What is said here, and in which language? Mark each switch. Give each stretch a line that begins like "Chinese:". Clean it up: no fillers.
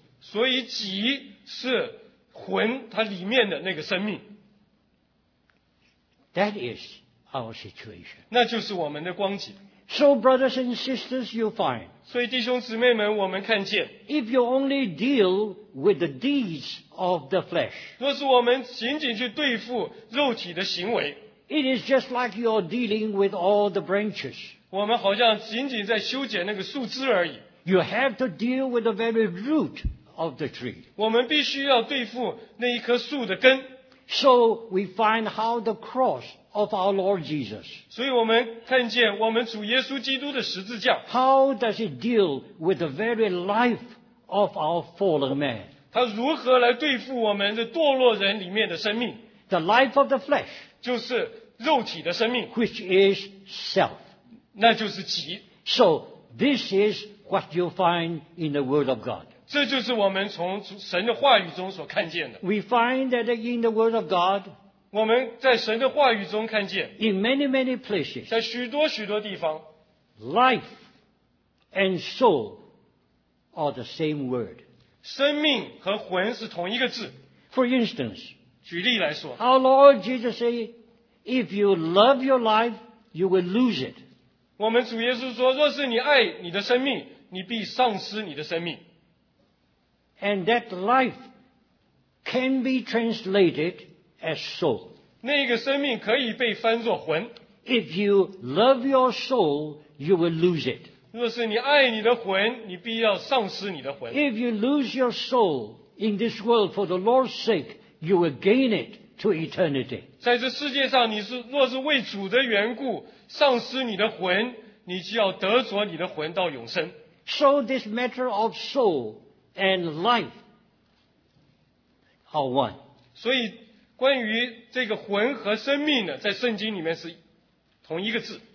Chinese: 所以己是魂它里面的那个生命。
English: That is our situation.
Chinese: 那就是我们的光景。
English: So brothers and sisters, you find.
Chinese: 所以弟兄姊妹们，我们看见。
English: If you only deal with the deeds of the flesh.
Chinese: 若是我们仅仅去对付肉体的行为。
English: It is just like you are dealing with all the branches.
Chinese: 我们好像仅仅在修剪那个树枝而已。
English: You have to deal with the very root. Of the tree.
Chinese: 我们必须要对付那一棵树的根。
English: So we find how the cross of our Lord Jesus.
Chinese: 所以我们看见我们主耶稣基督的十字架。
English: How does it deal with the very life of our fallen man?
Chinese: 它如何来对付我们的堕落人里面的生命
English: ？The life of the flesh.
Chinese: 就是肉体的生命。
English: Which is self.
Chinese: 那就是己。
English: So this is what you find in the Word of God.
Chinese: 这就是我们从神的话语中所看见的。
English: We find that in the Word of God,
Chinese: 我们在神的话语中看见。
English: In many, many places,
Chinese: 在许多许多地方。
English: Life and soul are the same word.
Chinese: 生命和魂是同一个字。
English: For instance,
Chinese: 举例来说。
English: Our Lord Jesus said, if you love your life, you will lose it.
Chinese: 我们主耶稣说，若是你爱你的生命，你必丧失你的生命。
English: And that life can be translated as soul.
Chinese: 那个生命可以被翻作魂。
English: If you love your soul, you will lose it.
Chinese: 若是你爱你的魂，你必要丧失你的魂。
English: If you lose your soul in this world for the Lord's sake, you will gain it to eternity.
Chinese: 在这世界上，你是若是为主的缘故丧失你的魂，你就要得着你的魂到永生。
English: So this matter of soul. And life are one.
Chinese: 所以关于这个魂和生命呢，在圣经里面是同一个字。